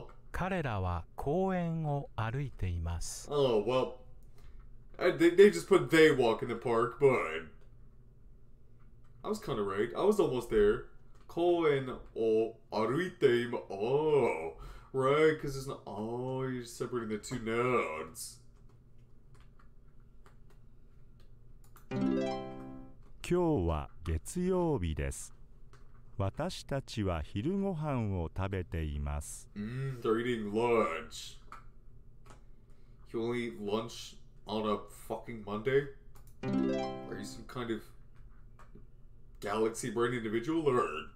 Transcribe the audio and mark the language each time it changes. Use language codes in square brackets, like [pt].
[ja] 彼らは公園を歩いています。 [en] Oh, well, they just put they walk in the park, but I was kind of right. I was almost there. [ja] 公園を歩いています。 [en] Oh, right, because it's not, oh, you're separating the two nouns. [ja] 今日は月曜日です。私たちは昼ごはんを食べています。 [en] They're eating lunch. You only eat lunch on a fucking Monday? Are you some kind of galaxy brain individual or?